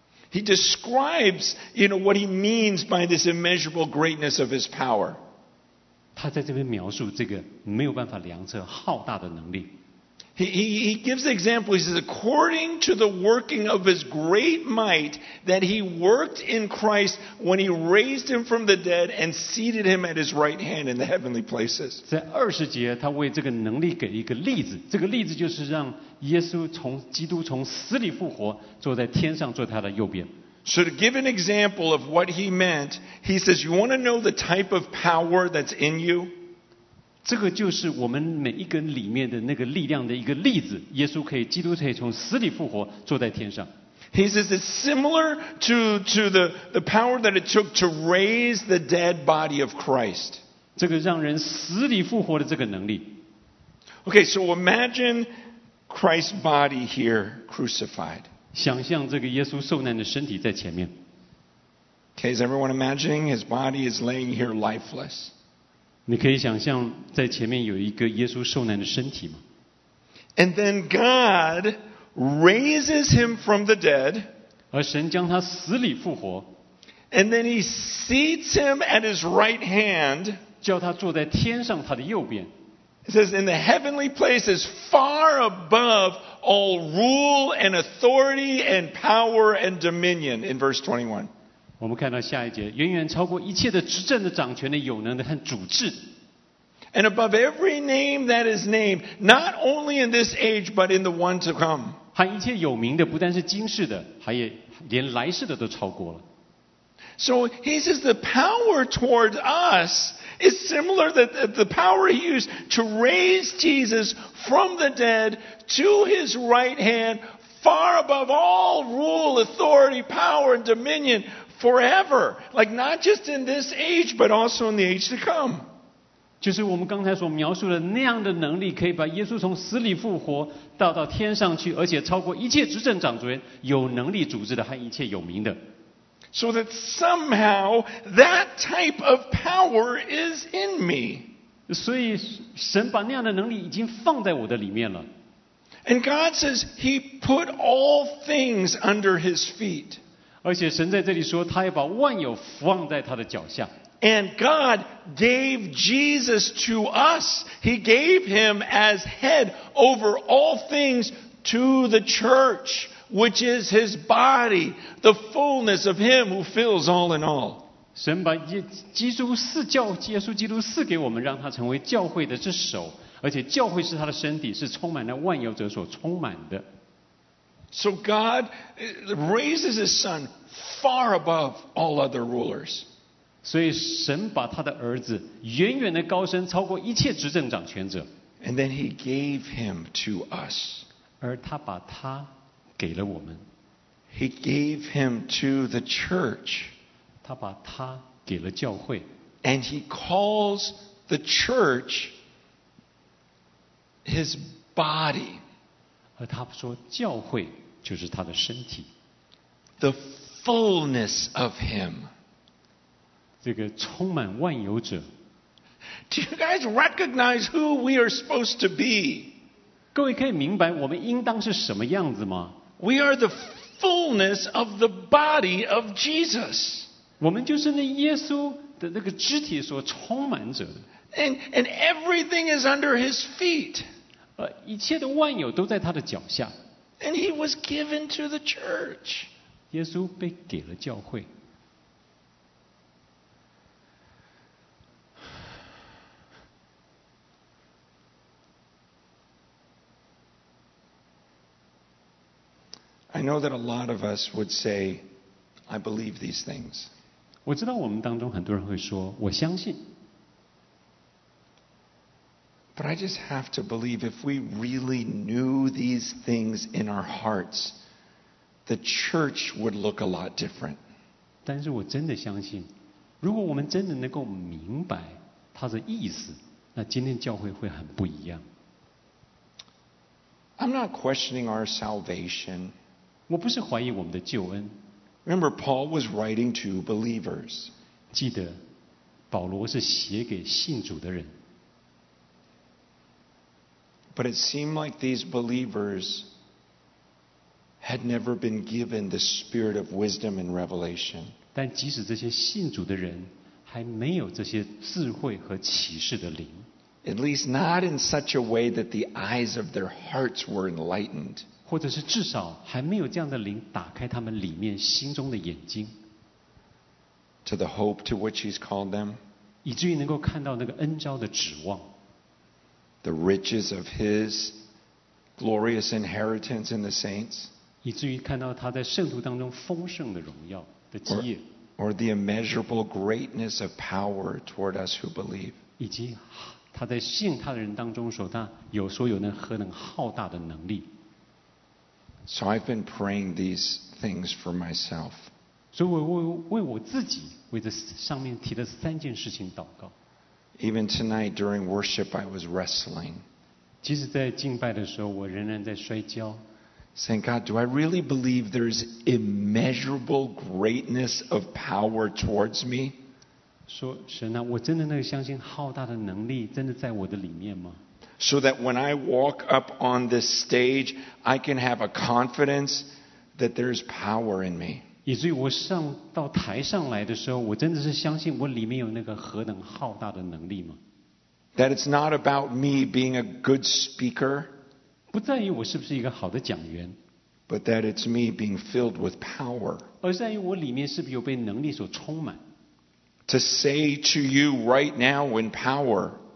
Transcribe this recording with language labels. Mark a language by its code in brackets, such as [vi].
[en] He describes, you know, what he means by this immeasurable greatness of his power. [zh] 他在这边描述这个没有办法量测浩大的能力。 [en] He gives the example. He says, "According to the working of His great might that He worked in Christ when He raised Him from the dead and seated Him at His right hand in the heavenly places." [zh] 在二十节，他为这个能力给一个例子。这个例子就是让耶稣从基督从死里复活，坐在天上，坐他的右边。 [en] So to give an example of what he meant, he says, you want to know the type of power that's in you? [zh] 这个就是我们每一个里面的那个力量的一个例子。耶稣可以，基督可以从死里复活，坐在天上。 [en] He says it's similar to the power that it took to raise the dead body of Christ. [zh] 这个让人死里复活的这个能力。 [en] Okay, so imagine Christ's body here crucified. [zh] 想象这个耶稣受难的身体在前面。 [en] Okay, is everyone imagining his body is laying here lifeless? [zh] 你可以想象在前面有一个耶稣受难的身体吗？ [en] And then God raises him from the dead. [zh] 而神将他死里复活。 [en] And then he seats him at his right hand. [zh] 叫他坐在天上他的右边。 [en] It says, in the heavenly places far above all rule and authority and power and dominion, in verse 21. [zh] 我们看到下一节，远远超过一切的执政的掌权的有能的和主治。 [en] And above every name that is named, not only in this age, but in the one to come. [zh] 和一切有名的，不但是今世的，还也连来世的都超过了。 [en] So he says the power toward us is similar to the power he used to raise Jesus from the dead to his right hand, far above all rule, authority, power, and dominion forever. Like not just in this age, but also in the age to come. [zh] 就是我们刚才所描述的那样的能力，可以把耶稣从死里复活带到天上去，而且超过一切执政掌权、有能力组织的和一切有名的。 [en] So that somehow that type of power is in me. [zh] 所以神把那样的能力已经放在我的里面了。 [en] And God says He put all things under His feet. [zh] 而且神在这里说，他也把万有放在他的脚下。 [en] And God gave Jesus to us. He gave Him as head over all things to the church. Which is his body, the fullness of him who fills all in all. [zh] 神把耶稣基督赐给我们，让他成为教会的这首，而且教会是他的身体，是充满了万有者所充满的。 [en] So God raises his son far above all other rulers. [zh] 所以神把他的儿子远远的高升，超过一切执政掌权者。 [en] And then he gave him to us. [zh] 而他把他给了我们。 [en] He gave him to the church. [zh] 他把他给了教会。 [en] And he calls the church his body. [zh] 而他说教会就是他的身体。 [en] The fullness of him. [zh] 这个充满万有者。 [en] Do you guys recognize who we are supposed to be? [zh] 各位可以明白我们应当是什么样子吗？ [en] We are the fullness of the body of Jesus. [zh] 我们就是那耶稣的那个肢体所充满着的。 [en] And everything is under his feet. [zh] 一切的万有都在他的脚下。 [en] And he was given to the church. [zh] 耶稣被给了教会。 [en] I know that a lot of us would say, I believe these things. [zh] 我知道我们当中很多人会说，我相信。 [en] But I just have to believe if we really knew these things in our hearts, the church would look a lot different. [zh] 但是我真的相信，如果我们真的能够明白它的意思，那今天教会会很不一样。 [en] I'm not questioning our salvation. [zh] 我不是怀疑我们的救恩。 [en] Remember, Paul was writing to believers. [zh] 记得，保罗是写给信主的人。 [en] But it seemed like these believers had never been given the spirit of wisdom and revelation. [zh] 但即使这些信主的人还没有这些智慧和启示的灵。 [en] At least not in such a way that the eyes of their hearts were enlightened. [zh] 或者是至少还没有这样的灵打开他们里面心中的眼睛 [en] to the hope to which he's called them, [zh] 以至于能够看到那个恩召的指望 [en] the riches of his glorious inheritance in the saints, [zh] 以至于看到他在圣徒当中丰盛的荣耀的基业 [en] or the immeasurable greatness of power toward us who believe, [zh] 以及他在信他的人当中所有能何等浩大的能力 [en] So I've been praying these things for myself. [zh] 所以我为我自己为这上面提的三件事情祷告。 [en] Even tonight during worship, I was wrestling. [zh] 即使在敬拜的时候，我仍然在摔跤。 [en] Saying, God, do I really believe there's immeasurable greatness of power towards me? [zh] 说神啊，我真的那个相信浩大的能力真的在我的里面吗？ [en] So that when I walk up on this stage, I can have a confidence that there's power in me. [zh] 以至于我上到台上来的时候，我真的是相信我里面有那个何等浩大的能力吗？ [en] That it's not about me being a good speaker, [zh] 不在于我是不是一个好的讲员， [en] but that it's me being filled with power, [zh] 而在于我里面是不是有被能力所充满。 [en] To say to you right now in power,